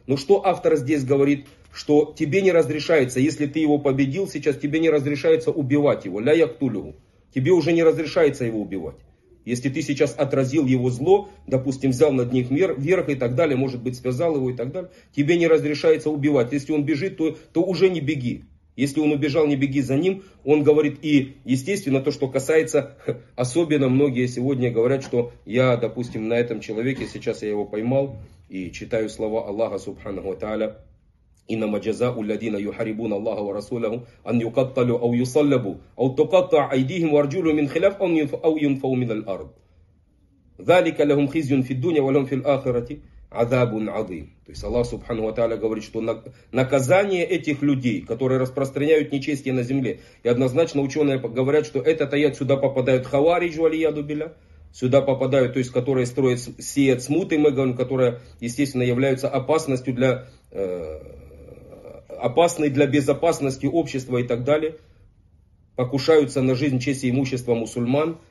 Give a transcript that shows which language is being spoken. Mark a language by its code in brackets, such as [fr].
[ru] Но что автор здесь говорит, что тебе не разрешается, если ты его победил сейчас, тебе не разрешается убивать его. [ar] Ля яктулю. [ru] Тебе уже не разрешается его убивать. Если ты сейчас отразил его зло, допустим, взял над них верх и так далее, может быть, связал его и так далее, тебе не разрешается убивать. Если он бежит, то уже не беги. Если он убежал, не беги за ним. Он говорит, и естественно, то, что касается, особенно многие сегодня говорят, что я, допустим, на этом человеке, сейчас я его поймал, и читаю слова Аллаха Субханаху ва Тааля, [ar] إنما جزاء الذين يحاربون الله ورسوله أن يقتلوا أو يصلبوا أو تقطع أيديهم وأرجلهم من خلاف أو ينفوا من الأرض ذلك لهم خزي في الدنيا ولهم في الآخرة عذاب عظيم. [ru] То есть Аллах Субхану ва Тааля говорит, что наказание этих людей, которые распространяют нечестие на земле, и однозначно ученые говорят, что этот аят сюда попадают хавариджу валияду билля, сюда попадают, то есть которые строят, сеют смуты, мы говорим, которые, естественно, являются опасностью для опасны для безопасности общества и так далее, покушаются на жизнь, честь и имущество мусульман.